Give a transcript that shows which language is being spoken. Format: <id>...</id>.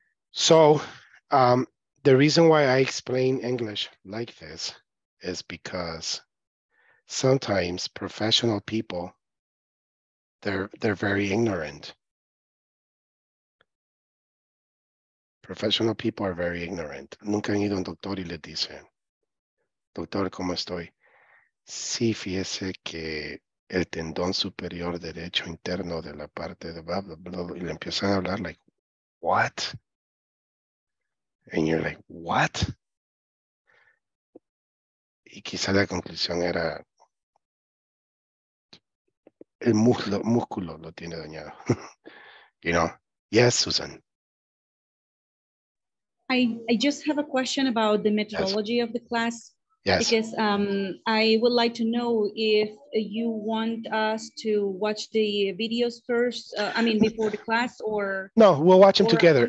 <en>So the reason why I explain English like this is because sometimes professional people, they're very ignorant. Professional people are very ignorant.</en> <es>Nunca han ido a un doctor y le dice, doctor, ¿cómo estoy? Sí, fíjese que el tendón superior derecho interno de la parte de blah, blah, blah, y le empiezan a hablar</es> <en>like, what? And you're like, what?</en> <es>Y quizá la conclusión era, el músculo lo tiene dañado.</es> <en>You know? Yes, Susan. I just have a question about the methodology, yes, of the class. Yes. Because I would like to know if you want us to watch the videos first, before the class, or... No, we'll watch them together.</en>